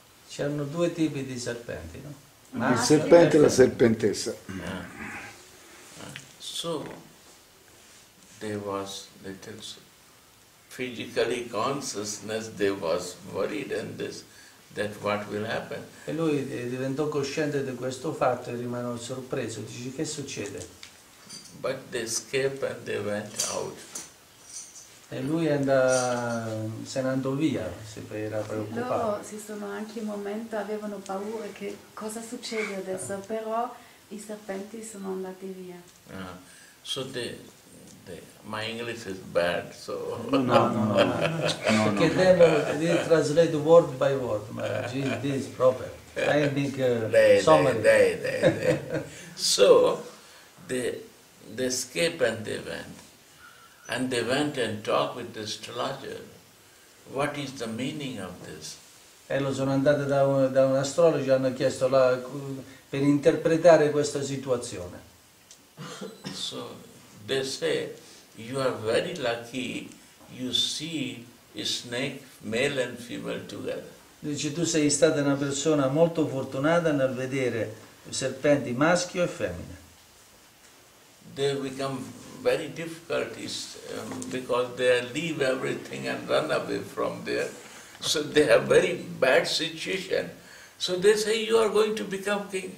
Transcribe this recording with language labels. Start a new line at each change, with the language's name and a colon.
Italian: C'erano due tipi di serpenti, no? Il serpente e la serpentessa.
English: So there was little physically consciousness, they was worried in this. That what will happen.
Italian: E lui diventò cosciente di questo fatto e rimase sorpreso. Dice, che succede?
English: But they escaped and they went out.
Italian: E lui se ne andò via, si era preoccupato. Loro si sono anche un momento, avevano paura che cosa succede adesso, però i serpenti sono andati via.
English: So my English is bad, so
Italian: no. Perché devo
English: translate word by word,
Italian: ma
English: this proper. I think summary. They. So they escape and they went. And they went and talk with the astrologer. What is the meaning of this?
Italian: E lo sono andato da un astrologio, hanno chiesto per interpretare questa situazione.
English: So they say, you are very lucky, you see a snake, male and female together.
Italian: Dice, tu sei stata una persona molto fortunata nel vedere serpenti maschio e femmina.
English: They become very difficult because they leave everything and run away from there. So they have very bad situation. So they say, you are going to become king.